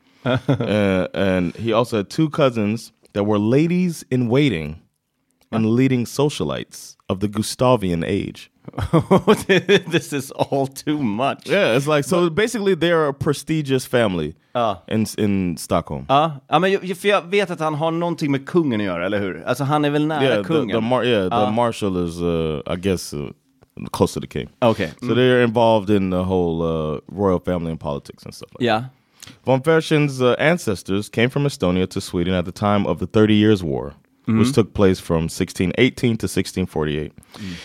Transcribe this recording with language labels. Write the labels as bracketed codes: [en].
[en] and he also had two cousins that were ladies in waiting and leading socialites of the Gustavian age. This is all too much. Yeah, it's like, so but, basically they're a prestigious family in Stockholm. [sv] Ja, men för jag vet att han har någonting med kungen att göra, eller hur? Alltså han är väl nära kungen? [en] The marshal is, I guess, close to the king. Okay. So they're involved in the whole royal family and politics and stuff like that. Von Fersen's ancestors came from Estonia to Sweden at the time of the 30 Years' War, which took place from 1618 to 1648. Mm.